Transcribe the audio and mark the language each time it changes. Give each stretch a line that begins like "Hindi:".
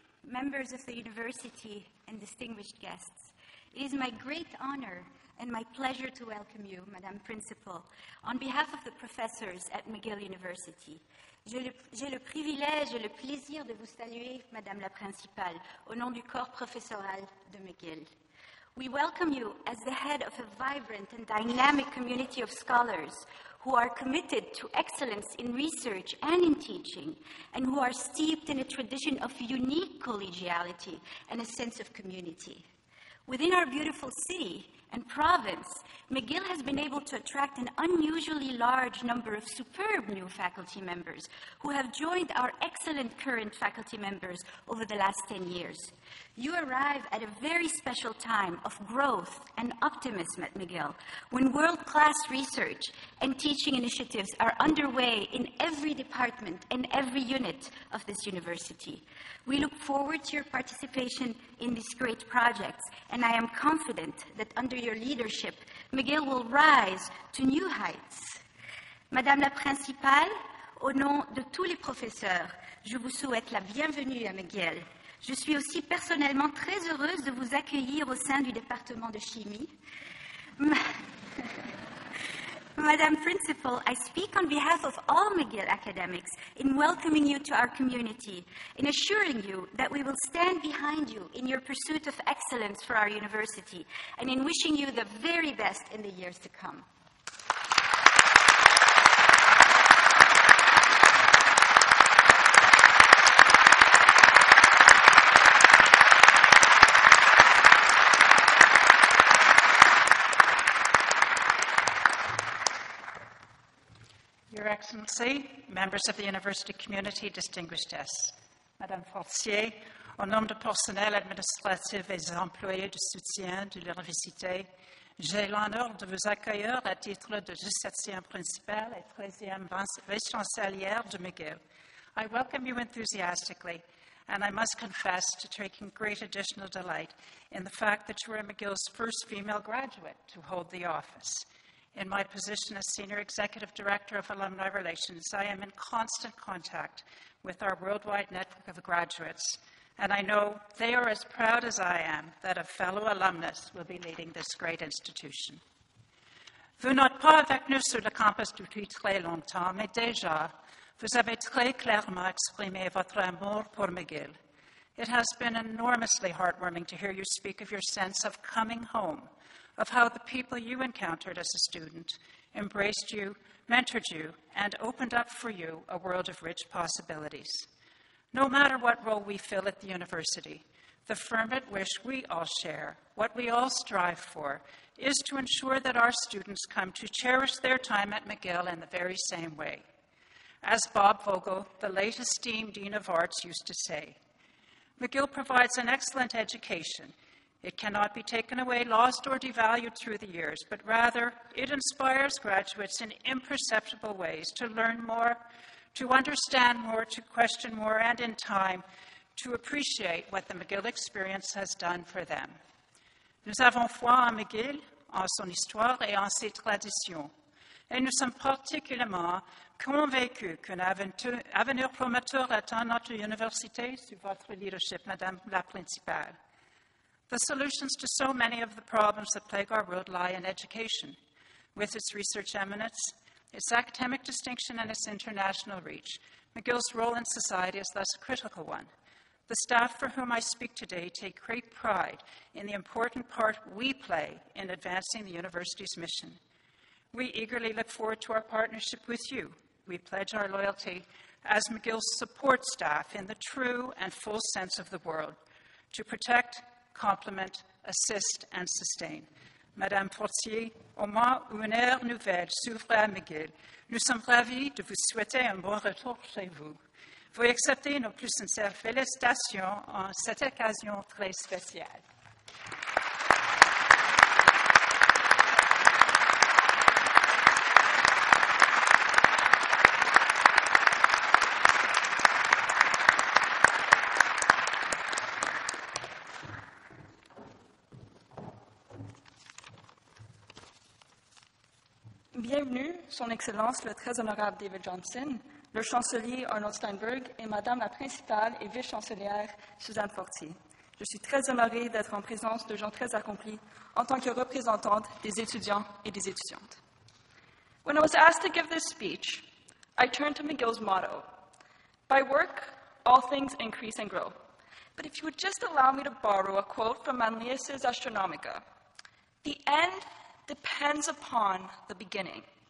English: Members of the university and distinguished guests. It is my great honor and my pleasure to welcome you, Madame Principal, on behalf of the professors at McGill University.
French: J'ai le privilège et le plaisir de vous saluer, Madame la Principale, au nom du corps professoral de McGill.
English: We welcome you as the head of a vibrant and dynamic community of scholars who are committed to excellence in research and in teaching, and who are steeped in a tradition of unique collegiality and a sense of community. Within our beautiful city and province, McGill has been able to attract an unusually large number of superb new faculty members who have joined our excellent current faculty members over the last 10 years. You arrive at a very special time of growth and optimism at McGill, when world-class research and teaching initiatives are underway in every department and every unit of this university. We look forward to your participation in these great projects, and I am confident that under your leadership, McGill will rise to new heights.
French: Madame la Principale, au nom de tous les professeurs, je vous souhaite la bienvenue à McGill. Je suis aussi personnellement très heureuse de vous accueillir au sein du département de chimie.
English: Madame Principal, I speak on behalf of all McGill academics in welcoming you to our community, in assuring you that we will stand behind you in your pursuit of excellence for our university, and in wishing you the very best in the years to come. Excellency, members of the university community, distinguished guests,
French: Madame Fortier, au nom du personnel administratif et des employés de soutien de l'université, j'ai l'honneur de vous accueillir à titre de 17e principale et 13e vice-chancelière de McGill.
English: I welcome you enthusiastically, and I must confess to taking great additional delight in the fact that you are McGill's first female graduate to hold the office. In my position as Senior Executive Director of Alumni Relations, I am in constant contact with our worldwide network of graduates, and I know they are as proud as I am that a fellow alumnus will be leading this great institution.
French: Vous n'êtes pas avec nous sur le campus depuis très longtemps, mais déjà, vous avez très clairement exprimé votre amour pour McGill.
English: It has been enormously heartwarming to hear you speak of your sense of coming home, of how the people you encountered as a student embraced you, mentored you, and opened up for you a world of rich possibilities. No matter what role we fill at the university, the fervent wish we all share, what we all strive for, is to ensure that our students come to cherish their time at McGill in the very same way. As Bob Vogel, the late esteemed Dean of Arts, used to say, McGill provides an excellent education. It cannot be taken away, lost, or devalued through the years, but rather it inspires graduates in imperceptible ways to learn more, to understand more, to question more, and in time, to appreciate what the McGill experience has done for them.
French: Nous avons foi en McGill, en son histoire et en ses traditions. Et nous sommes particulièrement convaincus qu'un avenir prometteur attend notre université sous votre leadership, Madame la Principale.
English: The solutions to so many of the problems that plague our world lie in education, with its research eminence, its academic distinction, and its international reach. McGill's role in society is thus a critical one. The staff for whom I speak today take great pride in the important part we play in advancing the university's mission. We eagerly look forward to our partnership with you. We pledge our loyalty as McGill's support staff in the true and full sense of the word to protect, complement, assist, and sustain.
French: Madame Fortier, au moment où une ère nouvelle s'ouvre à McGill, nous sommes ravis de vous souhaiter un bon retour chez vous. Veuillez accepter nos plus sincères félicitations en cette occasion très spéciale. Son Excellence le très honorable David Johnson, le chancelier Arnold Steinberg et Madame la Principale et vice-chancelière Suzanne Fortier. Je suis très honorée d'être en présence de gens très accomplis en tant que représentante des étudiants et des étudiantes.
English: When I was asked to give this speech, I turned to McGill's motto, "By work, all things increase and grow." But if you would just allow me to borrow a quote from Manlius's Astronomica, "The end depends upon the beginning."